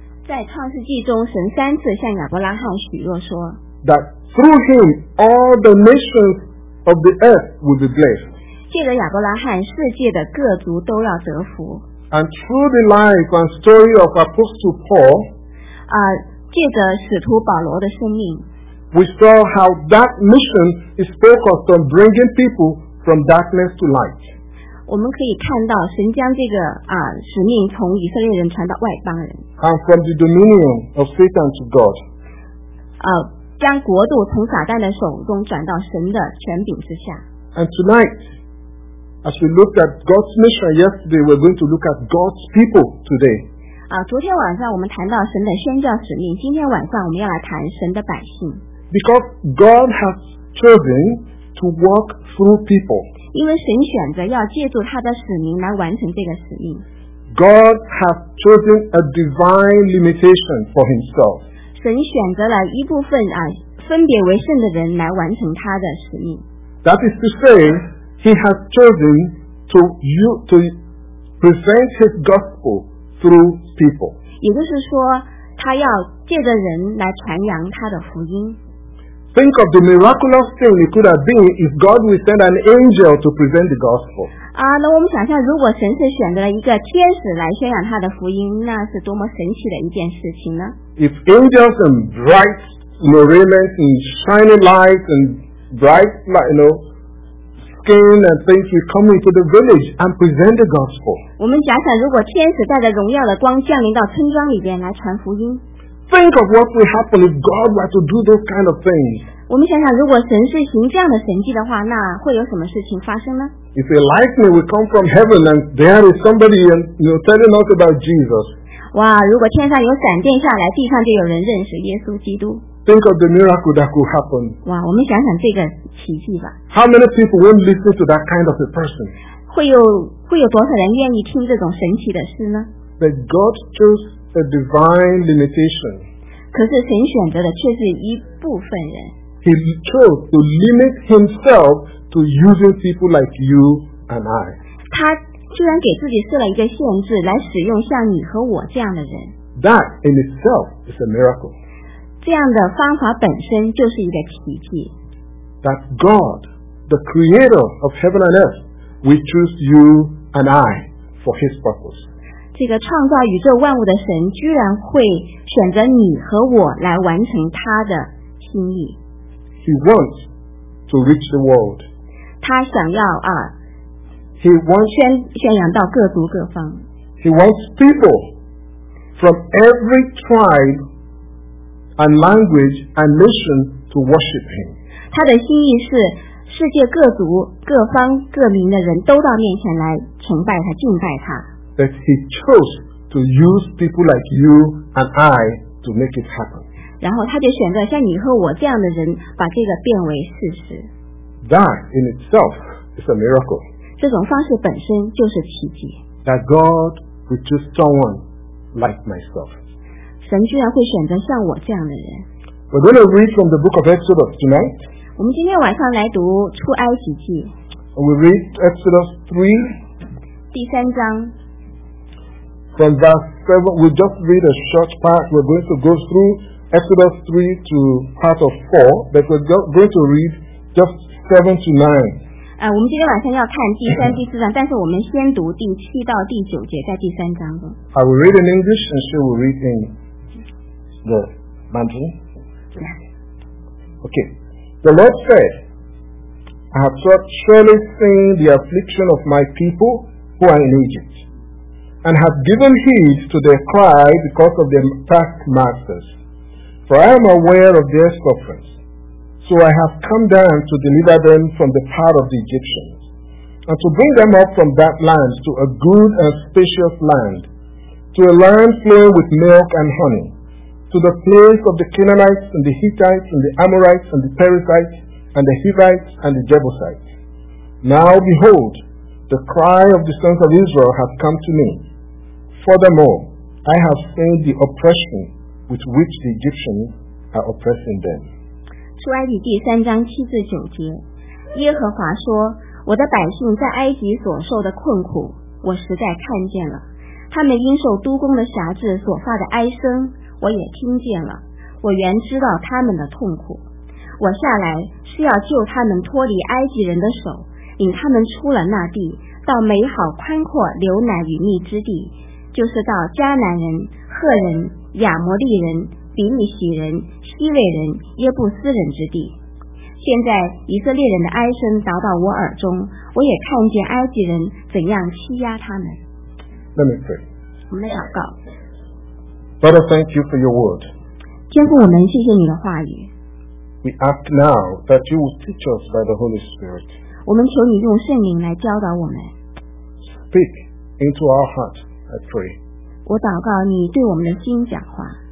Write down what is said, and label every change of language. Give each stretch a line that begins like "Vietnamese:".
Chinese: 在创世纪中，神三次向亚伯拉罕许诺说。
English: That through him all the nations of the earth will be blessed.
Chinese: 借着亚伯拉罕，世界的各族都要得福。
English: And through the life and story of Apostle Paul,
Chinese: 借着使徒保罗的生命，
English: we saw how that mission is focused on bringing people from darkness to light.
Chinese: 我们可以看到神将这个使命从以色列人传到外邦人。
English: And from the dominion of Satan to God.
Chinese: 将国度从撒旦的手中转到神的权柄之下。
English: And tonight, As we looked at God's mission yesterday, we're going to look at God's people today.
Chinese: 昨天晚上我们谈到神的宣教使命，今天晚上我们要来谈神的百姓。
English: Because God has chosen to work through people.
Chinese: 因为神选择要借助他的使命来完成这个使命。
English: God has chosen a divine limitation for himself.
Chinese: 神选择了一部分啊，分别为圣的人来完成他的使命。
English: That is to say, he has chosen to present his gospel through people.
Chinese: 也就是说，他要借着人来传扬他的福音。
English: Think of the miraculous thing it could have been if God would send an angel to present the gospel.
Chinese: 那我们想象，如果神是选择了一个天使来宣扬他的福音，那是多么神奇的一件事情呢？
English: If angels and bright raiment and shiny lights and bright, skin and things would come into the village and present the gospel.
Chinese: 我们假想，如果天使带着荣耀的光降临到村庄里边来传福音。
English: Think of what would happen if God were to do those kind of things.
Chinese: 我们想想，如果神是行这样的神迹的话，那会有什么事情发生呢？
English: If a lightning would come from heaven and there is somebody telling us about Jesus.
Chinese: 哇，如果天上有闪电下来，地上就有人认识耶稣基督。
English: Think of the miracle that could happen.
Chinese: 哇，我们想想这个奇迹吧。
English: How many people won't listen to that kind of a person?
Chinese: 会有多少人愿意听这种神奇的事呢？
English: That God chose. A divine limitation.
Chinese: 可是神选择的却是一部分人。
English: He chose to limit himself to using people like you and I.
Chinese: 他居然给自己设了一个限制，来使用像你和我这样的人。
English: That in itself is a miracle.
Chinese: 这样的方法本身就是一个奇迹。
English: That God, the creator of heaven and earth, will choose you and I for His purpose.
Chinese: 这个创造宇宙万物的神居然会选择你和我来完成他的心意。
English: He wants to reach the world.
Chinese: 他想要啊。
English: He wants
Chinese: 宣扬到各族各方。
English: He wants people from every tribe and language and nation to worship him.
Chinese: 他的心意是世界各族各方各民的人都到面前来崇拜他敬拜他。
English: That he chose to use people like you and I to make it happen.
Chinese: 然后他就选择像你和我这样的人把这个变为事实。
English: That in itself is a miracle.
Chinese: 这种方式本身就是奇迹。
English: That God would choose someone like myself.
Chinese: 神居然会选择像我这样的人。
English: We're going to read from the book of Exodus tonight.
Chinese: 我们今天晚上来读出埃及记。
English: We read Exodus 3.
Chinese: 第三章。
English: From verse 7, we'll just read a short part. We're going to go through Exodus 3 to part of 4, but we're going to read just 7 to 9. 我们今天晚上要看第三、第四章，但是我们先读第七到第九节，在第三章中。 I will read in English, and she will read in the Mandarin. Okay. The Lord said, I have surely seen the affliction of my people who are in Egypt. And have given heed to their cry because of their taskmasters. For I am aware of their sufferings. So I have come down to deliver them from the power of the Egyptians, and to bring them up from that land to a good and spacious land, to a land flowing with milk and honey, to the place of the Canaanites and the Hittites and the Amorites and the Perizzites and the Hivites and the Jebusites. Now behold, the cry of the sons of Israel has come to me. Furthermore, I have seen the oppression with which the Egyptians are oppressing them.
Chinese: 出埃及第三章七至九节，耶和华说：“我的百姓在埃及所受的困苦，我实在看见了；他们因受督工的辖制所发的哀声，我也听见了。我原知道他们的痛苦，我下来是要救他们脱离埃及人的手，领他们出了那地，到美好宽阔流奶与蜜之地。” 就是到迦南人、赫人、亚摩利人、比利洗人、希未人、耶布斯人之地。现在以色列人的哀声达到我耳中，我也看见埃及人怎样欺压他们。
English: Let me pray.
Chinese: 我们来祷告。
English: Father, thank you for your word.
Chinese: 天父，我们谢谢你的话语。
English: We ask now that you will teach us by the Holy Spirit.
Chinese: 我们求你用圣灵来教导我们。
English: Speak into our heart, I pray.
Chinese: 我祷告你对我们的心讲话。